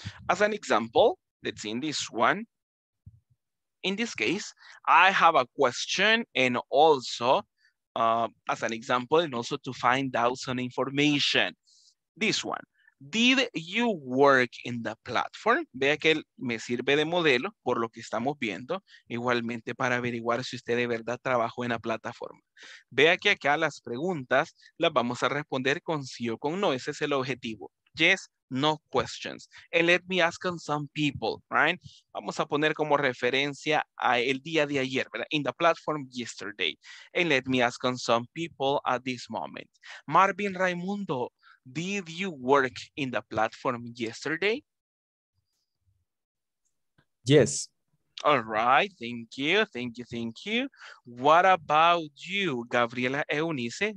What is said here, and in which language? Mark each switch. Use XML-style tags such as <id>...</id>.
<en>As an example, let's see in this one. In this case, I have a question and also, as an example, and also to find out some information. This one, did you work in the platform?</en> <es>Vea que me sirve de modelo por lo que estamos viendo, igualmente para averiguar si usted de verdad trabajó en la plataforma. Vea que acá las preguntas las vamos a responder con sí o con no, ese es el objetivo.</es> <en>Yes, no questions. And let me ask on some people, right?</en> <es>Vamos a poner como referencia a el día de ayer, ¿verdad?</es> <en>In the platform yesterday. And let me ask on some people at this moment. Marvin Raimundo, did you work in the platform yesterday? Yes. All right. Thank you. Thank you. Thank you. What about you, Gabriela Eunice?</en>